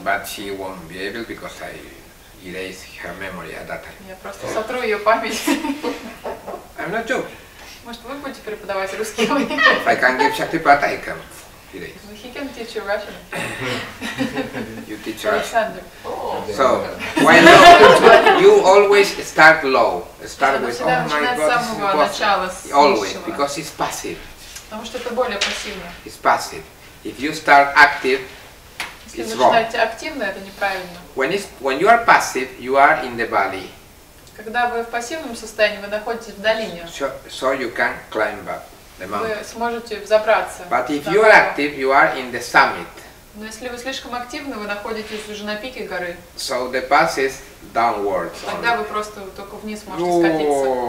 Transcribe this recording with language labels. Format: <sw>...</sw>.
<en>But she won't be able because I erase her memory at that time.</en> <ru>Я просто сотру ее память.</ru> <en>I'm not joking.</en> <ru>Может, вы будете преподавать русский?</ru> <en>If I can give Shaktipata, I can erase. He can teach you Russian. You teach Russian. So, why not? You always start low. Start with, oh my God, this is impossible. Always, because it's passive.</en> <ru>Потому что это более пассивно.</ru> <en>It's passive. If you start active, it's wrong.</en> <ru>Если начинаете активно, это неправильно.</ru> <en>When you are passive, you are in the valley.</en> <ru>Когда вы в пассивном состоянии, вы находитесь в долине.</ru> <en>So you can climb up the mountain.</en> <ru>Вы сможете взобраться.</ru> <en>But if you are active, you are in the summit.</en> <ru>Но если вы слишком активны, вы находитесь уже на пике горы.</ru> <en>So the pass is downwards.</en> <ru>Тогда вы просто только вниз можете скатиться.</ru>